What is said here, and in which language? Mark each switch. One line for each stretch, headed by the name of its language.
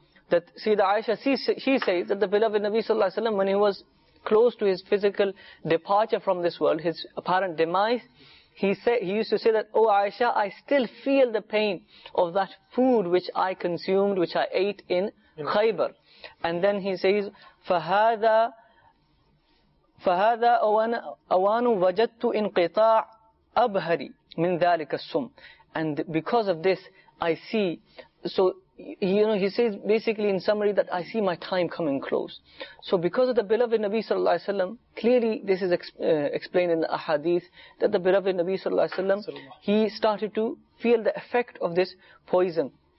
English: That Sayyidah Aisha, she says that the beloved Nabi sallallahu alaihi wasallam, when he was close to his physical departure from this world, his apparent demise, he used to say that, "Oh Aisha, I still feel the pain of that food which I consumed, which I ate in Khaybar." And then he says,
Arabic: "فهذا أوان وجدت انقطاع أبهري." Min dhalika sum.
English: And because of this, I see, so, you know, he says basically in summary that I see my time coming close. So because of the beloved Nabi sallallahu alaihi wasallam, clearly this is explained in the ahadith, that the beloved Nabi sallallahu alaihi wasallam, he started to feel the effect of this poison.